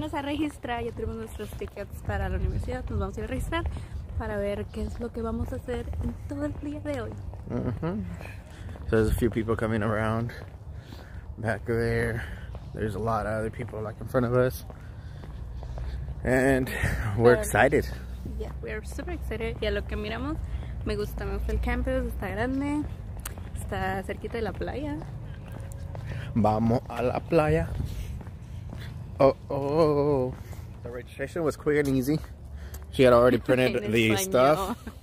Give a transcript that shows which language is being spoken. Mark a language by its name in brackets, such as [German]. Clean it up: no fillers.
[Spanish] Volvemos a registrar, ya tenemos nuestros tickets para la universidad, nos vamos a ir a registrar para ver qué es lo que vamos a hacer en todo el día de hoy. [English] So there's a few people coming around back there. There's a lot of other people like in front of us. And we're excited. Yeah, we are super excited. [Spanish] Y a lo que miramos, me gusta el campus, está grande, está cerquita de la playa. Vamos a la playa. [English] The registration was quick and easy. She had already printed the stuff.